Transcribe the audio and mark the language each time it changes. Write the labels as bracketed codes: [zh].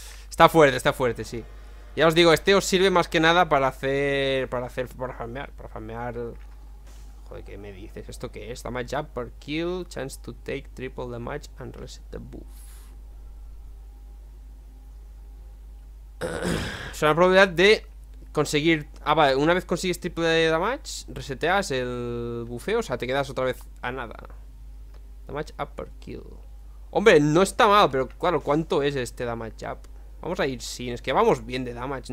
[es] Está fuerte, está fuerte, sí. Ya os digo, este os sirve más que nada para hacer... Para farmear. Joder, ¿qué me dices? ¿Esto qué es? [en] Damage up per kill, chance to take triple damage and reset the buff. [es] Es una probabilidad de conseguir... Ah, vale, una vez consigues triple damage, reseteas el bufeo, o sea, te quedas otra vez a nada. [en] Damage up per kill. [es] Hombre, no está mal, pero claro, ¿cuánto es este damage up? Vamos a ir sin, es que vamos bien de damage.